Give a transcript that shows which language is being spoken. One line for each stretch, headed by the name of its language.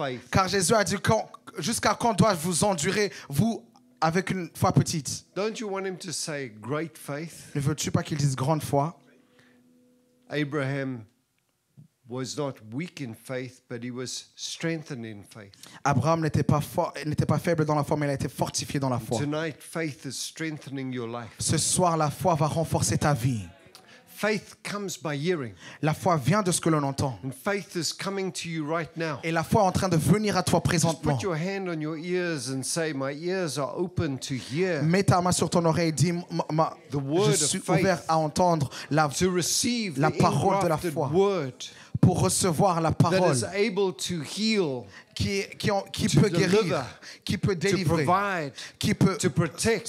French: Car Jésus a dit, jusqu'à quand dois-je vous endurer, vous, avec une foi petite? Ne veux-tu pas qu'il dise grande foi?
English: Abraham was not weak in faith, but he was strengthened in faith.
French: Abraham n'était pas faible dans la foi, mais il a été fortifié dans la foi.
English: Tonight, faith is strengthening your life.
French: Ce soir, la foi va renforcer ta vie.
English: Faith comes by hearing.
French: La foi vient de ce que l'on entend.
English: And faith is coming to you right now.
French: Et la foi est en train de venir à toi présentement.
English: Just put your hand on your ears and say, "My ears are open to hear."
French: Mets ta main sur ton oreille et dis, "Je suis ouvert à entendre la parole de la foi."
English: Word.
French: Pour recevoir la parole
English: that is able to heal,
French: qui peut guérir, qui peut délivrer,
English: to provide,
French: qui peut
English: to protect.